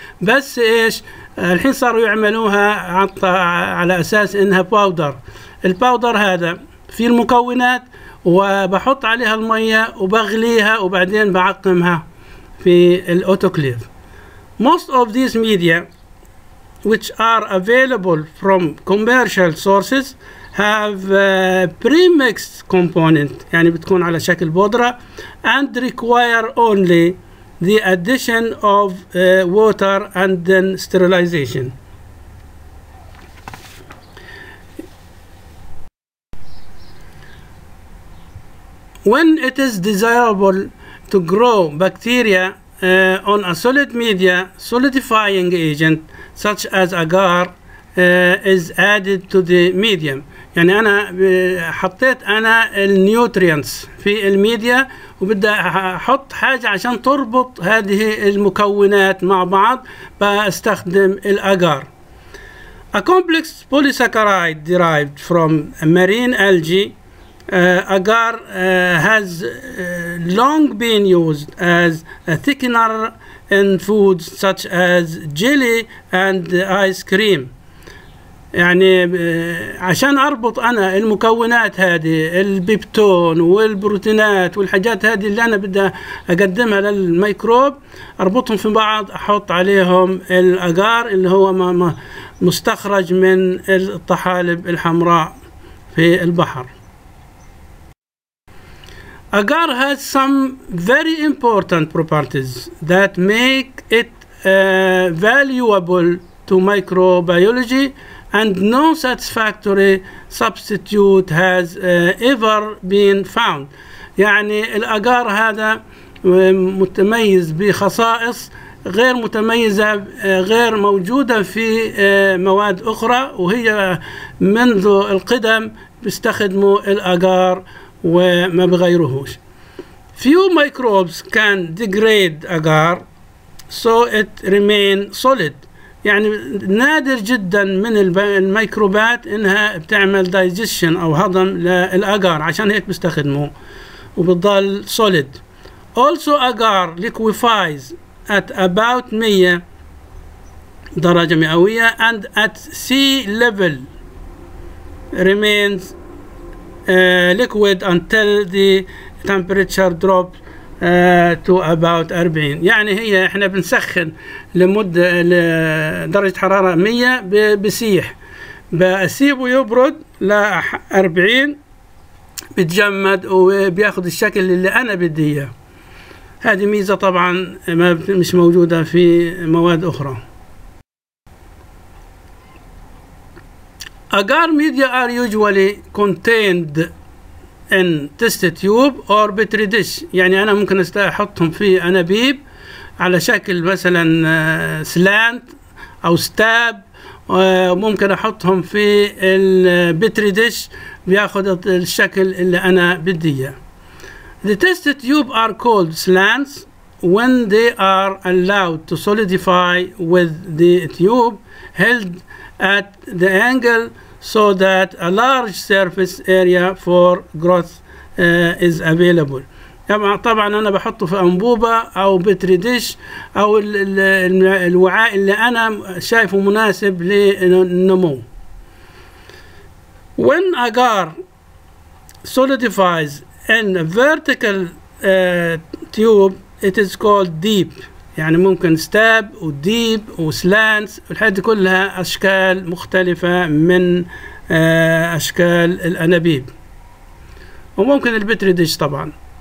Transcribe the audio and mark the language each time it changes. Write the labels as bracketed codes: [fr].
[ar] بس ايش الحين صاروا يعملوها على اساس انها باودر. الباودر هذا في المكونات وبحط عليها المية وبغليها وبعدين بعقمها في الاوتوكليف. [en] Most of these media which are available from commercial sources have premixed component, [ar] يعني بتكون على شكل بودرة, [en] and require only the addition of water and then sterilization. When it is desirable to grow bacteria on a solid media, solidifying agent such as agar is added to the medium. [ar] يعني أنا حطيت أنا النيوترينتس في الميديا وبدأ أحط حاجة عشان تربط هذه المكونات مع بعض بأستخدم الأغار. [en] A complex polysaccharide derived from marine algae, agar has long been used as a thickener in foods such as jelly and ice cream. [ar] يعني عشان أربط أنا المكونات هذه البيبتون والبروتينات والحاجات هذه اللي أنا بدي أقدمها للميكروب أربطهم في بعض أحط عليهم الأغار اللي هو مستخرج من الطحالب الحمراء في البحر. [en] Agar has some very important properties that make it valuable to microbiology, and no satisfactory substitute has ever been found. [ar] يعني الأغار هذا متميز بخصائص غير متميزة غير موجودة في مواد أخرى، وهي منذ القدم بيستخدموا الأجار وما بغيروهوش. [en] Few microbes can degrade agar so it remain solid. [ar] يعني نادر جدا من الميكروبات انها بتعمل digestion او هضم للأجار، عشان هيك بيستخدموا وبتضل solid. [en] Also agar liquefies at about 100 [ar] درجة مئوية [en] and at sea level remains liquid until the temperature drop to about 40. [ar] يعني هي احنا بنسخن لمدة لدرجة حرارة 100 بسيح، بسيبه يبرد ل 40 بتجمد وبياخد الشكل اللي انا بدي اياه. هذه ميزة طبعا ما مش موجودة في مواد اخرى. [en] Agar media are usually contained in test tube or petri dish. [ar] يعني أنا ممكن أحطهم في أنابيب على شكل مثلا سلانت أو ستاب، وممكن أحطهم في البتري ديش بياخذ الشكل اللي أنا بدي إياه. [en] The test tube are called slants when they are allowed to solidify with the tube held at the angle so that a large surface area for growth is available. [ar] طبعا انا بحطه في انبوبه او بتري ديش او الوعاء اللي انا شايفه مناسب للنمو. [en] When agar solidifies in a vertical tube it is called deep. [ar] يعني ممكن ستاب وديب وسلانس، والحاجات دي كلها أشكال مختلفة من أشكال الأنابيب، وممكن البتري ديش طبعا.